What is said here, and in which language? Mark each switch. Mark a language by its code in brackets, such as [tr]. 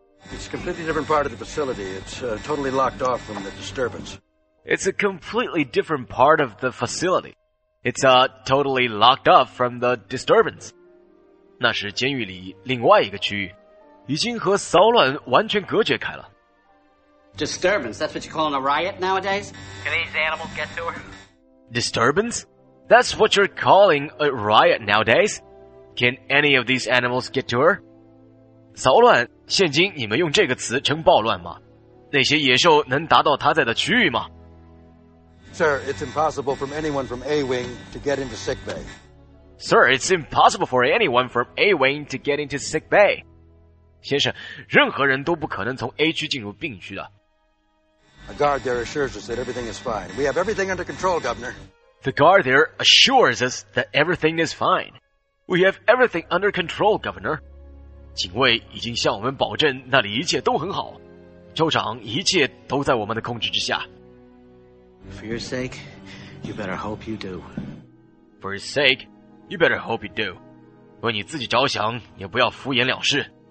[en] It's a completely different part of the facility. It's totally locked off from the disturbance. It's a completely different part of the facility. It's totally locked up from the disturbance. [zh] 那是监狱里另外一个区域，已经和骚乱完全隔绝开了。 [en] Disturbance, that's what you're calling a riot nowadays? Can these animals get to her? Disturbance? That's what you're calling a riot nowadays? Can any of these animals get to her? [zh] 骚乱，现今你们用这个词称暴乱吗？那些野兽能达到他在的区域吗？ [en] Sir, it's impossible for anyone from A-Wing to get into sick bay. Sir, it's impossible for anyone from A-Wing to get into sick bay. [zh] 先生，任何人都不可能从 A 区进入病区的。 [en] A guard there assures us that everything is fine. We have everything under control, Governor. The guard there assures us that everything is fine. We have everything under control, Governor. [zh] 警卫已经向我们保证那里一切都很好。州长，一切都在我们的控制之下。 [en] For your sake, you better hope you do. For your sake, you better hope you do. [zh] 为你自己着想，也不要敷衍了事。